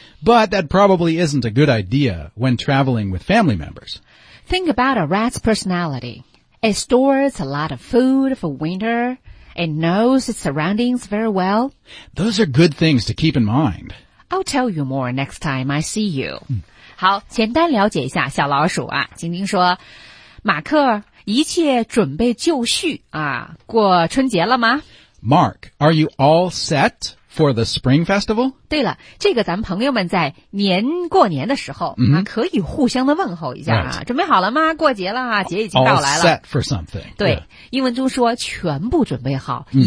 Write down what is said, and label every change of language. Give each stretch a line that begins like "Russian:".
English: But that probably isn't a good idea when traveling with family members. Think about a rat's personality. It stores a lot of food for winter. It knows its surroundings very well. Those are good things to keep in mind. I'll tell you more next time I see you.
Chinese: 好，简单了解一下小老鼠啊。晶晶说，马克，一切准备就绪啊，过春节了吗？
English: Mark, are you all set for the spring festival?
Chinese: 对了，这个咱们朋友们在年过年的时候、mm-hmm. 啊、可以互相的问候一下啊、
English: right.
Chinese: 准备好了吗？过节了啊，节已经到来了。
English: All set for something.
Chinese: 对、
English: yeah.
Chinese: 英文中说全部准备好、mm.